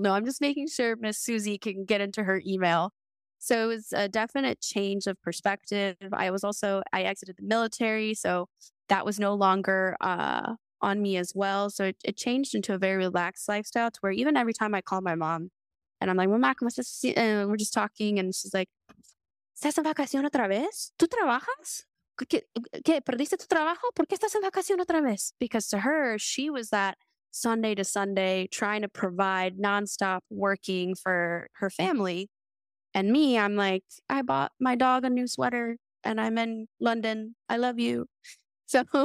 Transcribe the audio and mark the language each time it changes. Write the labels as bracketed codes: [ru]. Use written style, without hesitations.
[en] No, I'm just making sure Miss Susie can get into her email. So it was a definite change of perspective. I exited the military. So that was no longer, on me as well. So it changed into a very relaxed lifestyle to where even every time I call my mom and I'm like, well, Mac, we're just talking. [es] And she's like, ¿estás en vacación otra vez? ¿Tú trabajas? ¿Qué, perdiste tu trabajo? ¿Por qué estás en vacación otra vez? [en] Because to her, she was that Sunday to Sunday trying to provide nonstop working for her family. And me, I'm like, I bought my dog a new sweater and I'm in London. I love you. So...